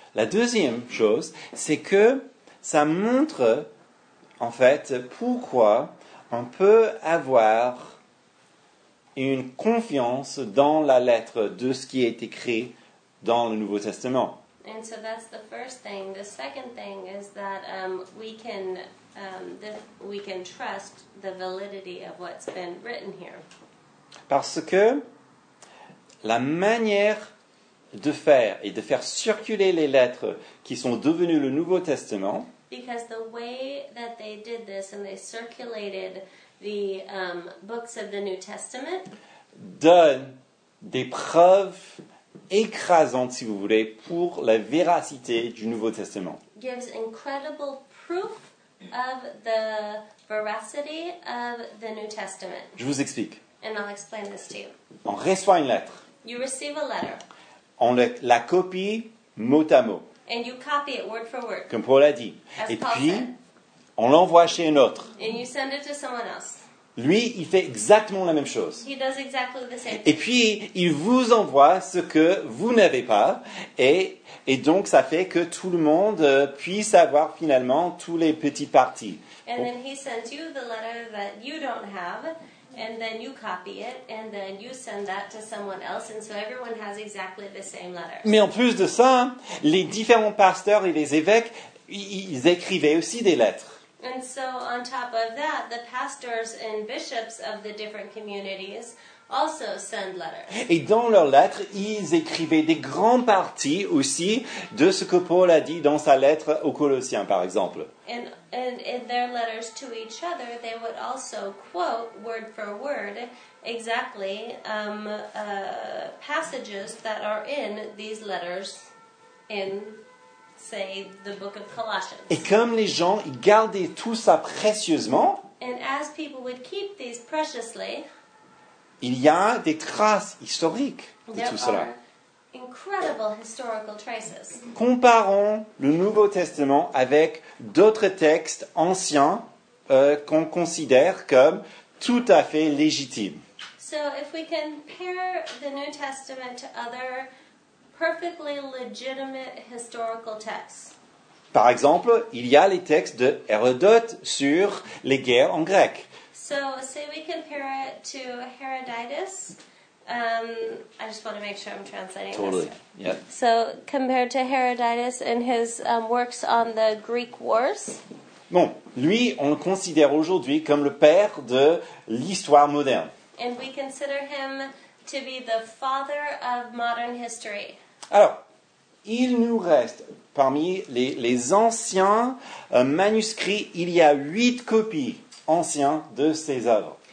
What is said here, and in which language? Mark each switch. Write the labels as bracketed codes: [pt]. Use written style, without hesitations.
[fr] La deuxième chose, c'est que ça montre, en fait, pourquoi on peut avoir une confiance dans la lettre de ce qui est écrit dans le Nouveau Testament. [en] And so that's the first thing. The second thing is that we can trust the validity of what's been written here. [fr] Parce que la manière de faire et de faire circuler les lettres qui sont devenues le Nouveau Testament. [en] Because the way that they did this and they circulated the books of the New Testament [fr] donne des preuves écrasantes, si vous voulez, pour la véracité du Nouveau Testament. [en] Gives incredible proof of the veracity of the New Testament. [fr] Je vous explique. [en] And I'll explain this to you. [fr] On reçoit une lettre. [en] You receive a letter. [fr] On la copie mot à mot. [en] And you copy it word for word. [fr] Comme Paul a dit. Et [en] Paul [fr] puis, [en] said. [fr] On l'envoie chez un autre. [en] And you send it to someone else. [fr] Lui, il fait exactement la même chose. [en] He does exactly the same. [fr] Et puis, il vous envoie ce que vous n'avez pas. Et donc, ça fait que tout le monde puisse avoir finalement tous les petits parties. [en] And then he sends you the letter that you don't have. And then you copy it, and then you send that to someone else, and so everyone has exactly the same letter. [fr] Mais en plus de ça, les différents pasteurs et les évêques, ils écrivaient aussi des lettres. [en] And so on top of that, the pastors and bishops of the different communities also send letters. [fr] Et dans leurs lettres, ils écrivaient des grandes parties aussi de ce que Paul a dit dans sa lettre aux Colossiens, par exemple. [en] And in their letters to each other, they would also quote word for word exactly passages that are in these letters in, say, the book of Colossians. [fr] Et comme les gens gardaient tout ça précieusement, [en] and as people would keep these preciously, [fr] il y a des traces historiques de tout cela. [en] Incredible historical traces. [fr] Comparons le Nouveau Testament avec d'autres textes anciens qu'on considère comme tout à fait légitimes. [en] So if we compare the New Testament to other perfectly legitimate historical texts. [fr] Par exemple, il y a les textes de Hérodote sur les guerres en grec. [en] So, say we compare it to Herodotus. I just want to make sure I'm translating totally. This. Totally, yeah. So, compared to Herodotus and his works on the Greek Wars. [fr] Bon, lui, on le considère aujourd'hui comme le père de l'histoire moderne. [en] And we consider him to be the father of modern history. [fr] Alors, il nous reste, parmi les anciens manuscrits, il y a 8 copies anciens de ses œuvres.